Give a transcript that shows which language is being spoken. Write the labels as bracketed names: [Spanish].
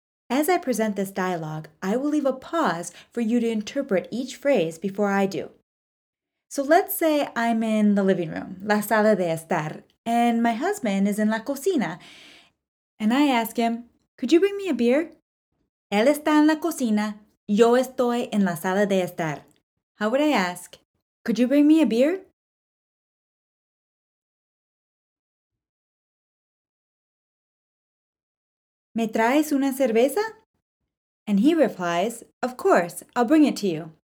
[English] As I present this dialogue, I will leave a pause for you to interpret each phrase before I do. So let's say I'm in the living room, [Spanish] la sala de estar, [English] and my husband is in [Spanish] la cocina, [English] and I ask him, could you bring me a beer? [Spanish] Él está en la cocina, yo estoy en la sala de estar. [English] How would I ask, could you bring me a beer? [Spanish] ¿Me traes una cerveza? [English] And he replies, of course, I'll bring it to you.